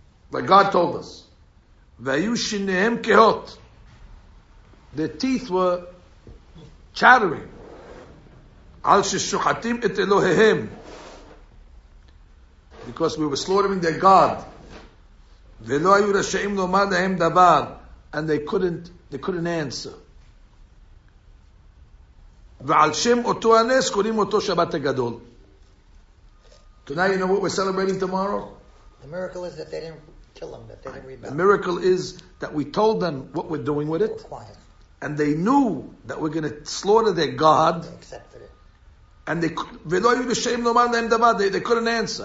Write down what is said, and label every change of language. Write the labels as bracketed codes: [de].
[en] Like God told us. [he] V'ayu shineim kehot. [en] Their teeth were chattering. [he] Al sheshuchatim et Eloheim. [en] Because we were slaughtering their God. [he] ולא היו רשאים לומר להם דבר, [en] and they couldn't answer. [he] ועל שם אותו הנס קוראים אותו שבת הגדול. [en] Tonight, you know what we're celebrating tomorrow? The miracle is that they didn't kill them, that they didn't rebel. The miracle is that we told them what we're doing with it. And they knew that we're going to slaughter their God. And they accepted it. [he] ולא היו רשאים לומר להם דבר, [en] they couldn't answer.